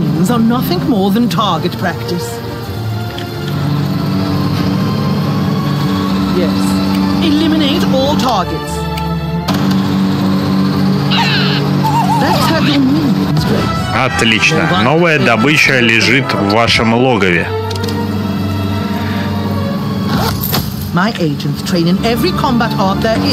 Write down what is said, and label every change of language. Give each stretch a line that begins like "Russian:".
English: Are nothing more than target practice. Yes. Eliminate all targets. That's how your minions go.
Russian: Отлично. Новая добыча лежит в вашем логове. My agents train in every combat art there is.